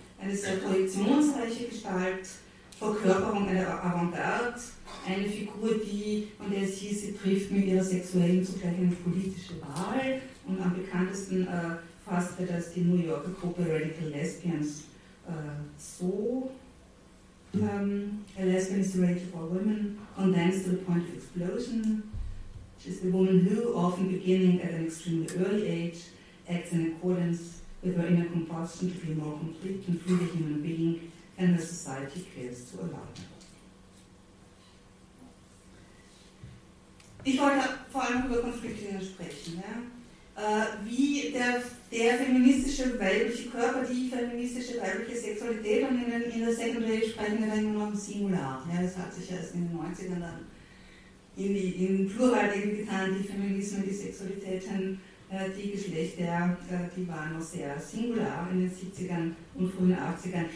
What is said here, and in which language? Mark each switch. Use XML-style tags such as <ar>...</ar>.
<de>Eine sehr projektionsreiche Gestalt, Verkörperung einer Avantgarde, eine Figur, von der es hieß, sie trifft mit ihrer sexuellen zugleich eine politische Wahl. Und am bekanntesten fasste das die New Yorker Gruppe Radical Lesbians so.</de> <en>A lesbian is the rage for women, condensed to the point of explosion. She is the woman who, often beginning at an extremely early age, acts in accordance with her inner compulsion to be more complete and free the human being and the society cares to allow her.</en> <de>Ich wollte vor allem über Konfliktlinien sprechen. Ja? Wie der feministische weibliche Körper, die feministische weibliche Sexualität und in der Sekundärie sprechen wir dann nur noch im Singular. Ja? Das hat sich erst in den 90ern dann in Plural eben getan, die Feminismen, die Sexualitäten, die Geschlechter, die waren noch sehr singular in den 70ern und frühen 80ern.</de>